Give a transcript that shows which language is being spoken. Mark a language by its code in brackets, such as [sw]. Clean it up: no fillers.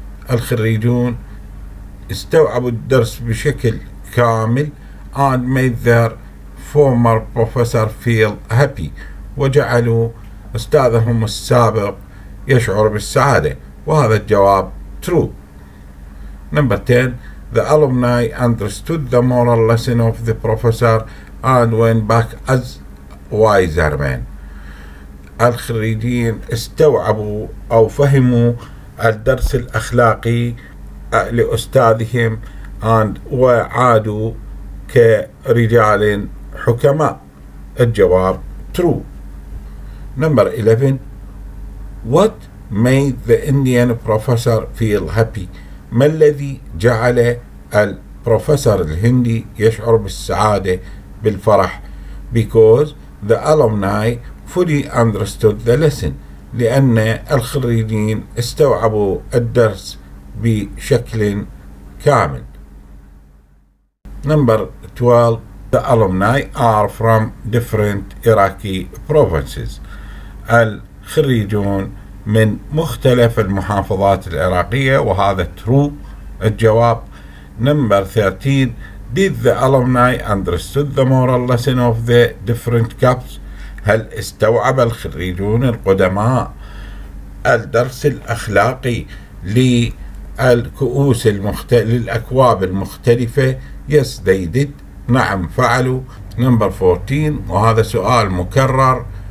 [ar] الخريجون استوعبوا الدرس بشكل كامل. [en] And made their former professor feel happy. [ar] وجعلوا أستاذهم السابق يشعر بالسعادة. وهذا الجواب [en] true. Number 10. The alumni understood the moral lesson of the professor and went back as wiser men. [ar] الخريجين استوعبوا أو فهموا الدرس الأخلاقي لأستاذهم and وعادوا كرجال حكماء. الجواب [en] true. Number 11. What made the Indian professor feel happy? [ar] ما الذي جعل البروفيسور الهندي يشعر بالسعادة بالفرح؟ [en] Because the alumni fully understood the lesson. [ar] لأن الخريجين استوعبوا الدرس بشكل كامل. [en] Number 12. The alumni are from different Iraqi provinces. [ar] الخريجون من مختلف المحافظات العراقية. وهذا [en] true. [ar] الجواب [en] Number 13. Did the alumni understood the moral lesson of the different cups? [ar] هل استوعب الخريجون القدماء الدرس الأخلاقي للكؤوس للأكواب المختلفة؟ [en] Yes, they did. [ar] نعم فعلوا. [en] Number 14. [ar] وهذا سؤال مكرر.